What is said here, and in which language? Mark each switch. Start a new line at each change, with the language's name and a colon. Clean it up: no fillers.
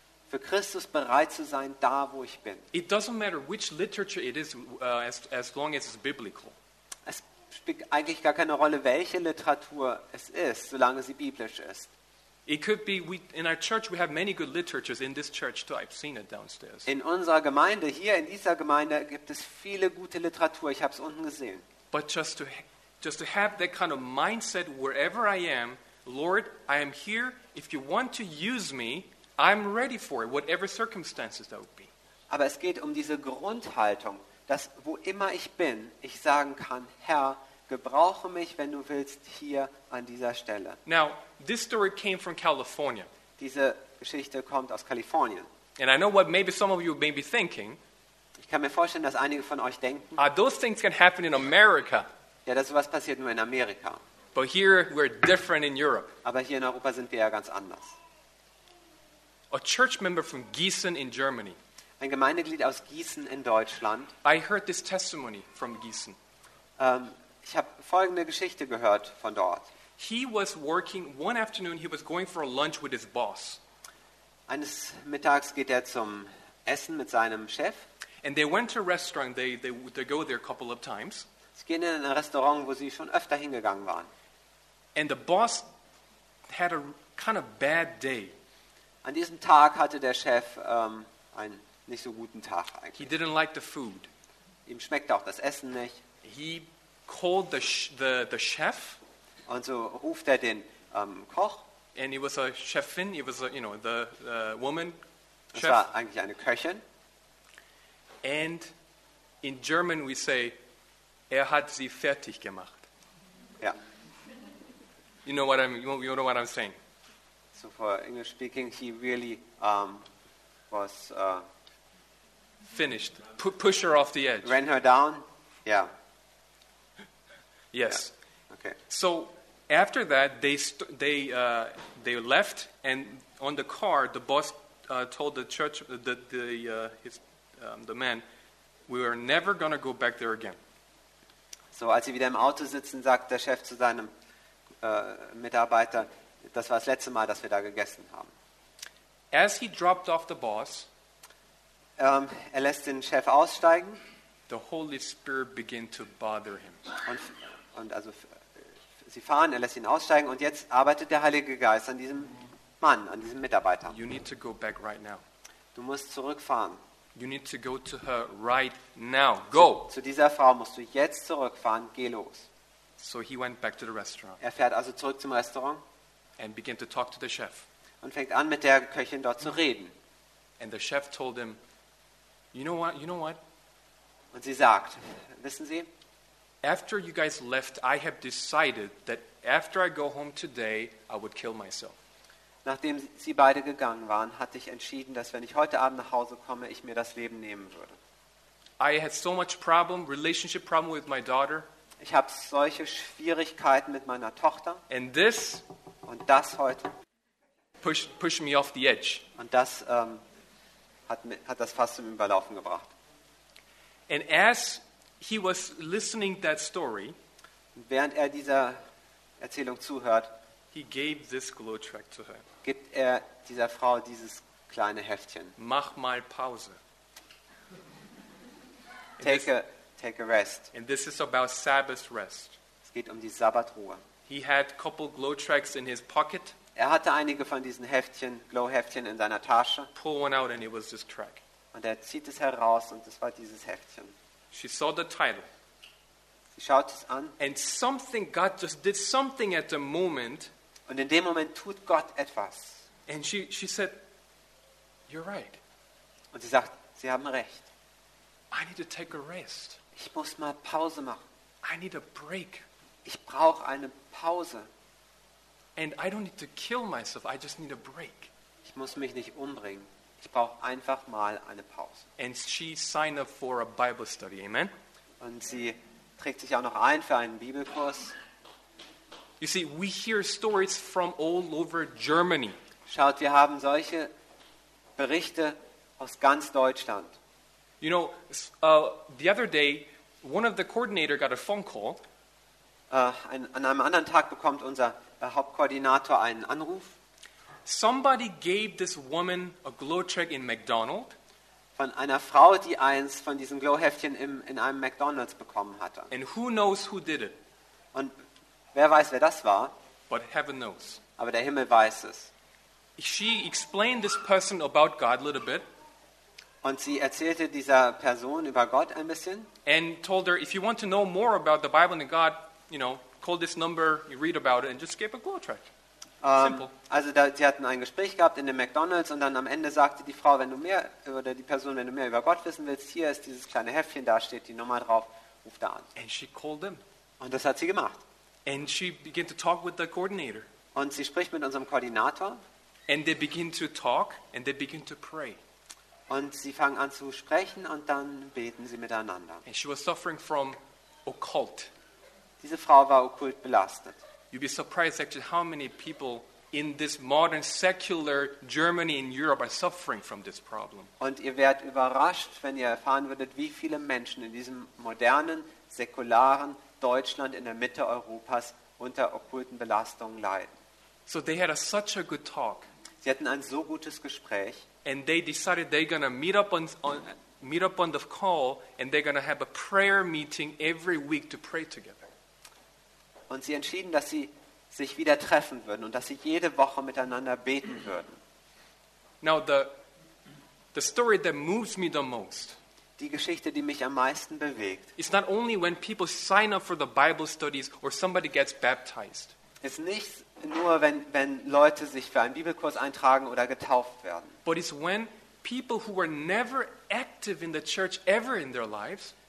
German: Für Christus bereit zu sein, da wo ich bin.
English: It doesn't matter which literature it is, as long as it's biblical.
German: Es spielt eigentlich gar keine Rolle, welche Literatur es ist, solange sie biblisch ist.
English: It could be in our church we have many good literatures in this church too. I've seen it downstairs.
German: In unserer Gemeinde, hier in dieser Gemeinde, gibt es viele gute Literatur. Ich habe es unten gesehen.
English: But just to have that kind of mindset wherever I am, Lord, I am here. If you want to use me, I'm ready for it, whatever circumstances that would be.
German: Aber es geht um diese Grundhaltung, dass wo immer ich bin, ich sagen kann, Herr, gebrauche mich, wenn du willst, hier an dieser Stelle.
English: Now, this story came from California.
German: Diese Geschichte kommt aus Kalifornien.
English: And I know what maybe some of you may be thinking.
German: Ich kann mir vorstellen, dass einige von euch denken.
English: Those things can happen in America.
German: Ja, das sowas passiert nur in Amerika.
English: But here we're different in Europe.
German: Aber hier in Europa sind wir ja ganz anders.
English: A church member from Gießen in Germany.
German: Ein Gemeindeglied aus Gießen in Deutschland.
English: I heard this testimony from Gießen.
German: Ich habe folgende Geschichte gehört von dort.
English: He was working one afternoon. He was going for a lunch with his boss.
German: Eines Mittags geht zum Essen mit seinem Chef.
English: And they went to a restaurant. They go there a couple of times.
German: Sie gehen in ein Restaurant, wo sie schon öfter hingegangen waren.
English: And the boss had a kind of bad day.
German: An diesem Tag hatte der Chef einen nicht so guten Tag eigentlich.
English: He didn't like the food.
German: Ihm schmeckte auch das Essen nicht.
English: He called the chef.
German: Und so ruft den Koch.
English: And it was a chefin, it was a, you know, the woman chef.
German: Es war eigentlich eine Köchin.
English: And in German we say,
German: er hat sie fertig gemacht. Ja.
English: You know what I'm, you know what I'm saying. So for English speaking, he really was finished. Push her off the edge. Ran her down. Yeah. Yes. Yeah. Okay. So after that, they left, and on the car, the boss told the church the man, we are never gonna go back there again.
German: So als sie wieder im Auto sitzen, sagt der Chef zu seinem Mitarbeiter, das war das letzte Mal, dass wir da gegessen haben.
English: As he dropped off the boss,
German: er lässt den Chef aussteigen.
English: The Holy Spirit began to bother him.
German: Und also sie fahren, er lässt ihn aussteigen und jetzt arbeitet der Heilige Geist an diesem Mann, an diesem Mitarbeiter.
English: You need to go back right now.
German: Du musst zurückfahren.
English: You need to go to her right now. Go.
German: Zu dieser Frau musst du jetzt zurückfahren. Geh los.
English: So he went back to the restaurant.
German: Er fährt also zurück zum Restaurant.
English: And began to talk to the chef.
German: Und fängt an, mit der Köchin dort zu reden.
English: And the chef told him, you know what? You know what?
German: Und sie sagt, wissen Sie?
English: After you guys left, I have decided that after I go home today, I would kill myself.
German: Nachdem sie beide gegangen waren, hatte ich entschieden, dass wenn ich heute Abend nach Hause komme, ich mir das Leben nehmen würde.
English: I had so much problem, relationship problem with my daughter.
German: Ich habe solche Schwierigkeiten mit meiner Tochter.
English: And this
German: und das heute
English: push me off the edge.
German: Und das hat das Fass zum Überlaufen gebracht.
English: And as he was listening that story,
German: während er dieser Erzählung zuhört,
English: he gave this glow track to her.
German: Gibt dieser Frau dieses kleine Heftchen. Mach mal Pause.
English: Take a rest. And this is about Sabbath rest.
German: Es geht die Sabbatruhe.
English: He had a couple glow tracks in his pocket.
German: Er hatte einige von diesen Heftchen, Glow-Heftchen in seiner Tasche.
English: Pull one out and it was this track.
German: Und zieht es heraus und es war dieses Heftchen.
English: She saw the title.
German: Sie schaut es an.
English: And something, God just did something at the moment.
German: Und in dem Moment tut Gott etwas.
English: And she said, you're right.
German: Und sie sagt, Sie haben recht.
English: I need to take a rest.
German: Ich muss mal Pause machen.
English: I need a break.
German: Ich brauche eine Pause.
English: And I don't need to kill myself, I just need a break.
German: Ich muss mich nicht umbringen. Ich brauche einfach mal eine Pause.
English: And she signed up for a Bible study. Amen.
German: Und sie trägt sich auch noch ein für einen Bibelkurs.
English: You see, we hear stories from all over Germany.
German: Schaut, wir haben solche Berichte aus ganz Deutschland.
English: You know, the other day, one of the coordinator got a phone call.
German: An einem anderen Tag bekommt unser Hauptkoordinator einen Anruf.
English: Somebody gave this woman a glow check in McDonald's.
German: Von einer Frau, die eins von diesen Glow-Heftchen in einem McDonald's bekommen hatte.
English: And who knows who did it?
German: Und wer weiß, wer das war?
English: But heaven knows.
German: Aber der Himmel weiß es.
English: She explained this person about God a little bit.
German: Und sie erzählte dieser Person über Gott ein bisschen.
English: And told her, if you want to know more about the Bible and God, you know, call this number, you read about it and just give a glow track.
German: Also da, sie hatten ein Gespräch gehabt in dem McDonald's und dann am Ende sagte die Frau, wenn du mehr über Gott wissen willst, hier ist dieses kleine Heftchen, da steht die Nummer drauf, ruf da an.
English: And she called him.
German: Und das hat sie gemacht.
English: And she began to talk with the coordinator.
German: Und sie spricht mit unserem Koordinator.
English: And they begin to talk and they begin to pray.
German: Und sie fangen an zu sprechen und dann beten sie miteinander.
English: And she was suffering from occult.
German: Diese Frau war okkult belastet.
English: You'd be surprised actually how many people in this modern secular Germany and Europe are suffering from this problem.
German: Und ihr werdet überrascht, wenn ihr erfahren würdet, wie viele Menschen in diesem modernen, säkularen Deutschland in der Mitte Europas unter okkulten Belastungen leiden.
English: So they had such a good talk.
German: Sie hatten ein so gutes Gespräch.
English: And they decided they're going to meet up on the call and they're going to have a prayer meeting every week to pray together.
German: Und sie entschieden, dass sie sich wieder treffen würden und dass sie jede Woche miteinander beten würden.
English: Now the story that moves me the most.
German: Die Geschichte, die mich am meisten bewegt.
English: It's not only when people sign up for the Bible studies or somebody gets baptized.
German: Ist nicht nur, wenn Leute sich für einen Bibelkurs eintragen oder getauft werden.
English: But it's when people who were never active in the church ever in their lives.